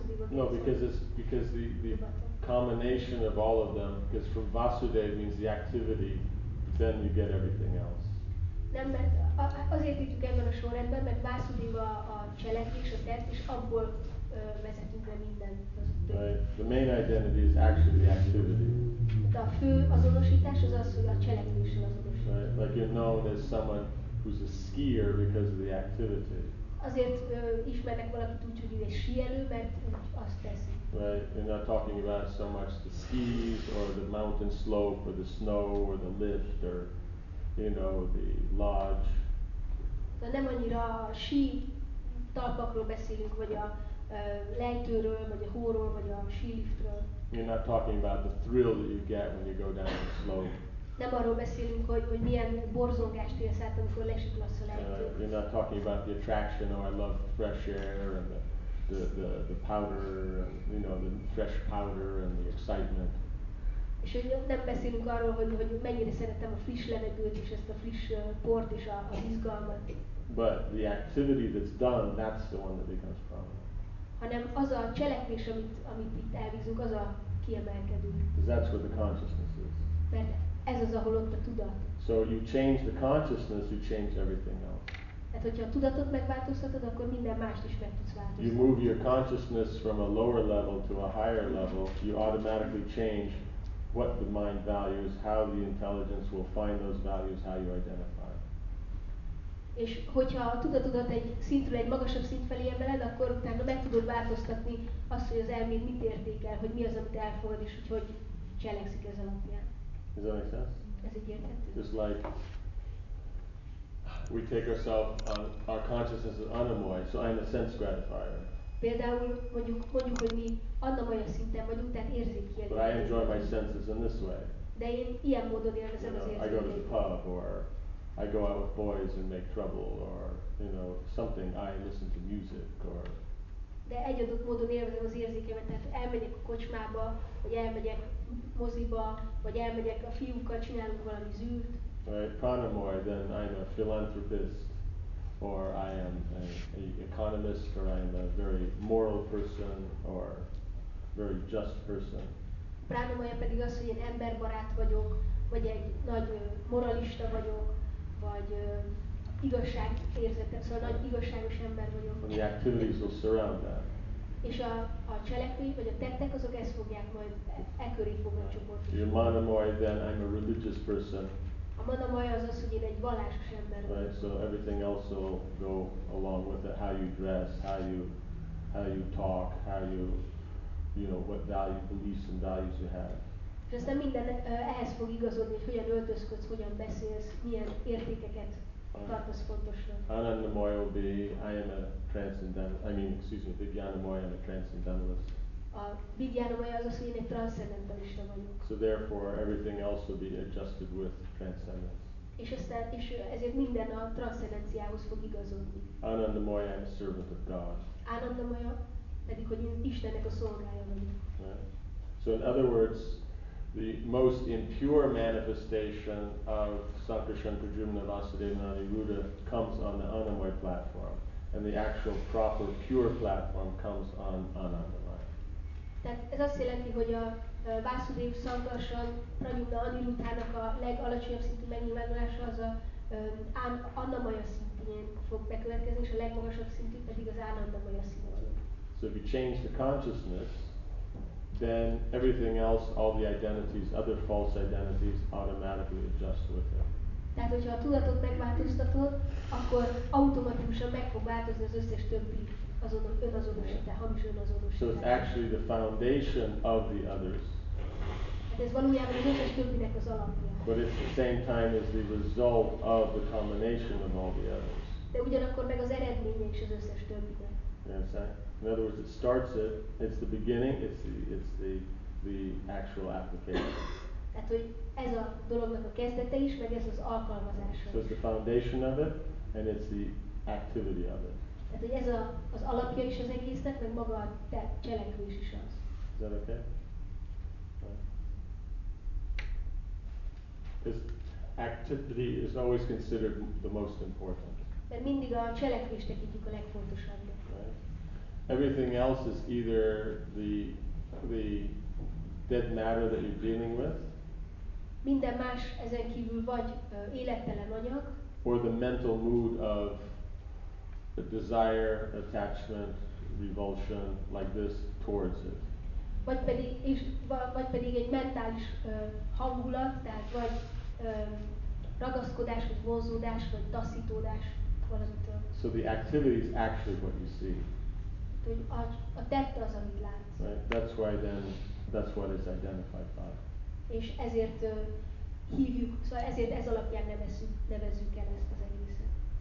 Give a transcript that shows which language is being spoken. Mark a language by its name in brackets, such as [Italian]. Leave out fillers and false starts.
[English] No, because the combination of all of them, because from Vasudev means the activity, then you get everything else. [Hungarian] Nem, mert azért írtuk ebben a sorrendben, mert Vasudev a cselekvés, a tett, és abból vezetünk le minden. [English] Right. The main identity is actually the activity. [Hungarian] Hát De a fő azonosítás az az, hogy a cselekvéssel azonosítás. [English] Right. Like you're known as someone who's a skier because of the activity. [Hungarian] Azért ismernek valakit úgy, hogy ő egy síelő, mert úgy azt teszi. [English] Right, you're not talking about so much the skis or the mountain slope or the snow or the lift or, you know, the lodge. [Hungarian] De nem annyira a sí talpakról beszélünk, vagy a lejtőről, vagy a hóról, vagy a síliftről. [English] You're not talking about the thrill that you get when you go down the slope. [Hungarian] Nem arról beszélünk, hogy milyen borzongást élsz át, amikor lesiklassz a lejtőt. [English] You're not talking about the attraction, or I love fresh air and the powder, and, you know, the fresh powder and the excitement. [Hungarian] És hogy nem beszélünk arról, hogy mennyire szeretem a friss levegőt és ezt a friss port és a izgalmat. [English] But the activity that's done, that's the one that becomes problem. [Hungarian] Hanem az a cselekvés, amit itt elvízünk, az a kiemelkedő. [English] Because that's what the consciousness is. [Hungarian] Mert ez az, ahol ott a tudat. [English] So you change the consciousness, you change everything else. [Hungarian] Hát hogyha a tudatot megváltoztatod, akkor minden mást is meg tudsz változtatni. [English] You move your consciousness from a lower level to a higher level, you automatically change what the mind values, how the intelligence will find those values, how you identify. [Hungarian] És hogyha a tudatodat egy szintről egy magasabb szint felé emeled, akkor utána meg tudod változtatni azt, hogy az elméd mit értékel, hogy mi az, amit elfogad, és hogy cselekszik ez alapján. [English] Does that make sense? [Hungarian] Ez egy érthető. [English] Just like we take ourselves on our consciousness as anamoy, so I'm a sense gratifier. [Hungarian] Például mondjuk hogy mi anamoya szinten vagyunk, tehát érzékkielégítő. [English] But I enjoy my senses in this way. [Hungarian] De én ilyen módon élvezem az érzékeket. [English] I go to the pub, or I go out with boys and make trouble, or, you know, something. I listen to music, or. [Hungarian] De egy adott módon élvezem az érzékeimet, tehát elmegyek a kocsmába, vagy elmegyek moziba, vagy elmegyek a fiúkkal, csinálunk valami zűrt. [English] Right, pranamoy, then I'm a philanthropist, or I am a economist, or I'm a very moral person, or very just person. [Hungarian] Pranamoya pedig az, hogy én emberbarát vagyok, vagy egy nagy moralista vagyok, vagy igazságérzetem, szóval nagy igazságos ember vagyok. [English] And the activities will surround that. [Hungarian] És a cselekvény, vagy a tettek, azok ezt fogják majd, e köré fognak csoportosítani. [English] You're manamoy, then I'm a religious person. [Hungarian] A manamaya az az, hogy én egy vallásos ember vagyok. [English] Right, so everything else will go along with it. How you dress, how you talk, how you, you know, what value, beliefs and values you have. [Hungarian] És aztán minden ehhez fog igazodni, hogy hogyan öltözködsz, hogyan beszélsz, milyen értékeket tartasz fontosnak. [English] Anandamaya will be, Vijnanamaya, I'm a transcendentalist. [Hungarian] A Vijnanamaya az az, hogy én egy transzcendentalista vagyok. [English] So therefore everything else will be adjusted with transcendence. [Hungarian] És ezért minden a transzcendenciához fog igazodni. [English] Anandamaya, I'm a servant of God. [Hungarian] Anandamaya pedig, hogy én Istennek a szolgája vagyok. [English] Right. So in other words, the most impure manifestation of Sankarsana Prajumna Vasudeva Aniruddha comes on the Anamoya platform, and the actual proper pure platform comes on Anandamaya. [Hungarian] Tehát ez azt jelenti, hogy a Vasudev Sankarsana Prajumna Aniruddhának a legalacsonyabb szintű megnyilvánulása az a Anamoya szintjén fog bekövetkezni, és a legmagasabb szintű pedig az Anandamaya szintjén. [English] So if you change the consciousness, then everything else, all the identities, other false identities, automatically adjust with it. [Hungarian] Tehát, hogyha a tudatot megváltoztatod, akkor automatikusan meg fog változni az összes többi önazonosítás, hamis önazonosítás. [English] So it's actually the foundation of the others. [Hungarian] Hát ez valójában az összes többinek az alapja. [English] But it's the same time as the result of the combination of all the others. [Hungarian] De ugyanakkor meg az eredménye is az összes többinek. [English] Yes, in other words, it starts it. It's the beginning. It's the actual application. [Hungarian] Tehát, hogy ez a dolognak a kezdete is, meg ez az alkalmazása. [English] So it's the foundation of it, and it's the activity of it. [Hungarian] Tehát, hogy ez az alapja is az egésznek, meg maga a cselekvés is az. [English] Is that okay? Because activity is always considered the most important. [Hungarian] Mert mindig a cselekvést tekintjük a legfontosabbnak. [English] Everything else is either the dead matter that you're dealing with. [Hungarian] Minden más ezen kívül vagy élettelen anyag. [English] Or the mental mood of the desire, attachment, revulsion like this towards it. [Hungarian] vagy pedig egy mentális hangulat, tehát vagy ragaszkodás, vagy vonzódás, vagy taszítódás valamitől. [English] So the activity is actually what you see. [Hungarian] Hogy a tette az, amit látsz. [English] Right. That's why then, that's what is identified by. [Hungarian] És ezért hívjuk, szóval ezért ez alapján nevezzük el ezt az egészet.